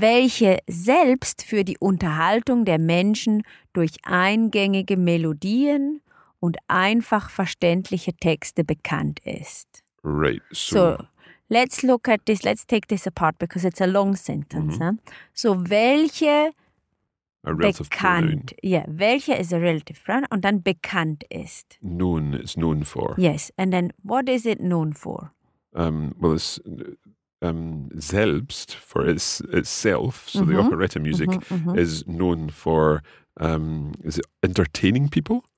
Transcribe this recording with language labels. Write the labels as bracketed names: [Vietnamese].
[German] Welche selbst für die Unterhaltung der Menschen durch eingängige Melodien... und einfach verständliche Texte bekannt ist. [English] Right. So let's look at this. Let's take this apart because it's a long sentence. Mm-hmm. Huh? So welche a relative [German] bekannt? [English] Pronoun. Yeah, welche is a relative pronoun [German] und dann bekannt ist. [English] Known. It's known for. Yes. And then what is it known for? Well, it's selbst for itself. So mm-hmm. the operetta music mm-hmm, mm-hmm. is known for. Is it entertaining people?